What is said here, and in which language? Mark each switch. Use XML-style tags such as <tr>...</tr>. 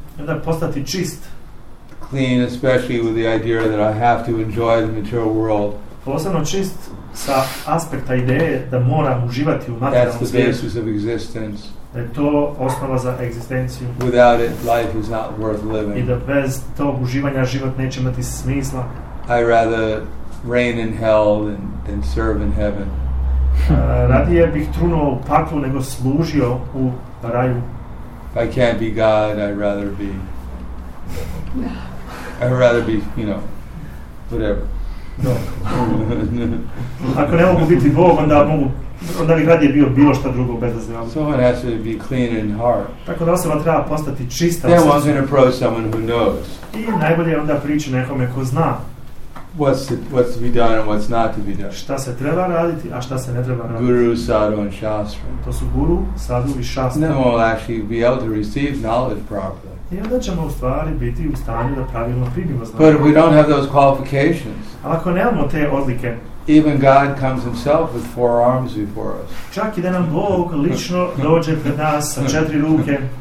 <bs>I onda postati čist.</bs> <en>Clean, especially with the idea that I have to enjoy the material world.</en> <bs>Posebno čist sa aspekta ideje da moram uživati u materijalnom svijetu.</bs> <en>That's the basis of existence.</en> <bs>Da je to osnova za egzistenciju.</bs> <en>Without it, life is not worth living.</en> <bs>I da bez tog uživanja život neće imati smisla.</bs> <en>I rather reign in hell than serve in heaven.</en> <bs>Radije bih trunuo u paklu nego služio u raju.</bs> <en>If I can't be God, I'd rather be, you know, whatever.</en> <bs>No. Ako ne mogu biti Bog, onda bi radije bio bilo šta drugo bez zemlje.</bs> <en>Someone has to be clean in heart.</en> <bs>Tako da osoba treba postati čista.</bs> <en>Then one can approach someone who knows.</en> <bs>I najbolje onda priči nekome ko zna.</bs> <en>What's to be done and what's not to be done.</en> <bs>Šta se treba raditi, a šta se ne treba raditi.</bs> <en>Guru, sadhu and shastra.</en> <bs>To su guru, sadhu i shastra.</bs> <en>Then we'll actually be able to receive knowledge properly.</en> <bs>I onda ćemo u stvari biti u stanju da pravilno primimo znanje.</bs> <en>But if we don't have those qualifications.</en> <bs>Ali ako nemamo te odlike.</bs> <en>Even God comes himself with four arms before us.</en> <bs>Čak i da nam Bog lično dođe pred nas sa četiri ruke.</bs>